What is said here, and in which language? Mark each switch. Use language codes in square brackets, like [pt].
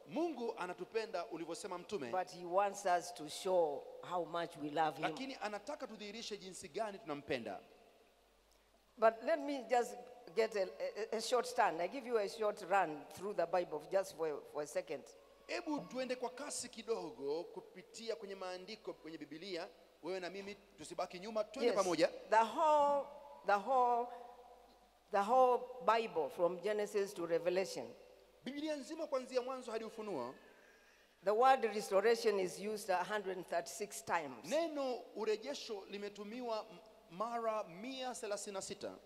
[sw] Mungu anatupenda ulivyosema mtume. [en] But he wants us to show how much we love him. [sw] Lakini anataka tudhihirishe jinsi gani tunampenda. [en] But let me just get a short stand. I give you a short run through the Bible just for a second. [sw] Ebu tuende kwa kasi kidogo kupitia kwenye maandiko kwenye Biblia. Wewe na mimi tusibaki nyuma, twende pamoja. [en] The whole Bible from Genesis to Revelation. [sw] Biblia nzima kuanzia mwanzo hadi Ufunuo. [en] The word restoration is used 136 times. [sw] Neno urejesho limetumiwa mara 136.